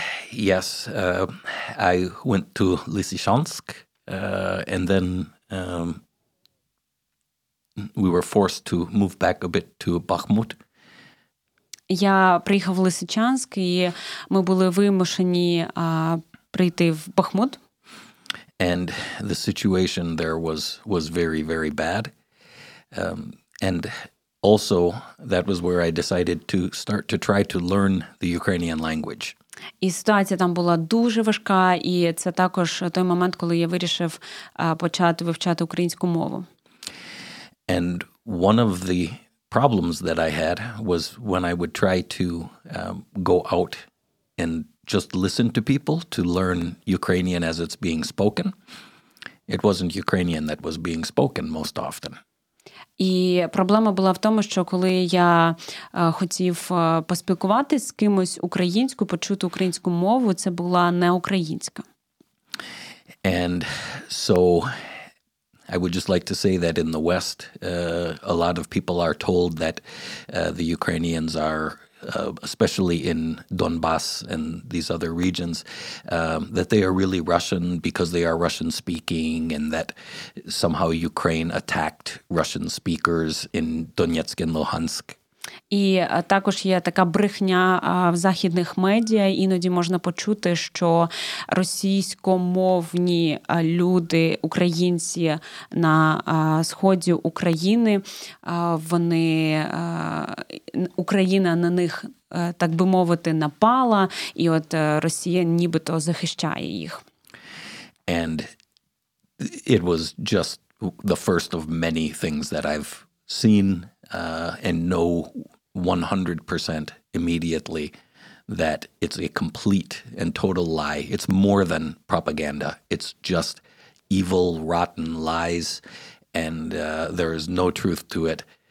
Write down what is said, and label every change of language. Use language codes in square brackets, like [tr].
[en] Yes, I went to Lysychansk, and then we were forced to move back a bit to Bakhmut. [uk] Я приїхав в Лисичанськ, і ми були вимушені прийти в Бахмут. [en] And the situation there was very, very bad. And also, that was where I decided to start to try to learn the Ukrainian language. [uk] І ситуація там була дуже важка, і це також той момент, коли я вирішив почати вивчати українську мову. [en] And one of the problems that I had was when I would try to go out and just listen to people to learn Ukrainian as it's being spoken. It wasn't Ukrainian that was being spoken most often. [uk] І проблема була в тому, що коли я хотів поспілкуватися з кимось українською, почути українську мову, це була не українська. [en] And so I would just like to say that in the West, a lot of people are told that the Ukrainians are, especially in Donbass and these other regions, that they are really Russian because they are Russian-speaking and that somehow Ukraine attacked Russian speakers in Donetsk and Luhansk. [uk] І також є така брехня в західних медіа, іноді можна почути, що російськомовні люди, українці на сході України, вони Україна на них, так би мовити, напала, і от Росія нібито захищає їх. [en] And it was just the first of many things that I've seen. And know 100% immediately that it's a complete and total lie. It's more than propaganda. It's just evil, rotten lies, and there is no truth to it.